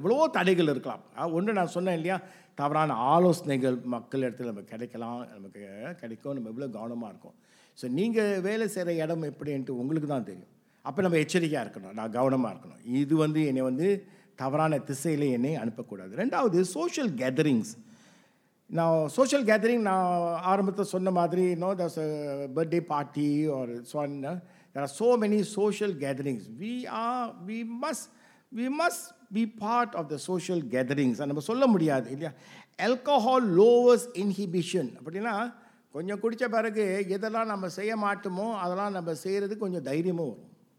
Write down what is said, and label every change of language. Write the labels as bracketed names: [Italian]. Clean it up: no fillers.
[Tamil] இவ்வளோ தடைகள் இருக்கலாம். ஒன்று நான் சொன்னேன் இல்லையா, தவறான ஆலோசனைகள் மக்கள் இடத்துல நம்ம கிடைக்கலாம், நமக்கு கிடைக்கும், நம்ம எவ்வளோ கவனமாக இருக்கும். ஸோ நீங்கள் வேலை செய்கிற இடம் எப்படின்ட்டு உங்களுக்கு தான் தெரியும். அப்போ நம்ம எச்சரிக்கையாக இருக்கணும், நான் கவனமாக இருக்கணும், இது வந்து என்னை வந்து தவறான திசையில் என்னை அனுப்பக்கூடாது. ரெண்டாவது, social gatherings. [English] Now, social gathering, now, [Tamil] Aramata Sonamadri, [English] you know, there's a birthday party or so on. There are so many social gatherings. We must be part of the social gatherings. And we can say, alcohol lowers inhibition. [Tamil] கொஞ்சம் குடித்த பிறகு எதெல்லாம் நம்ம செய்ய மாட்டோமோ அதெல்லாம் நம்ம செய்கிறது கொஞ்சம் தைரியமும் வரும்.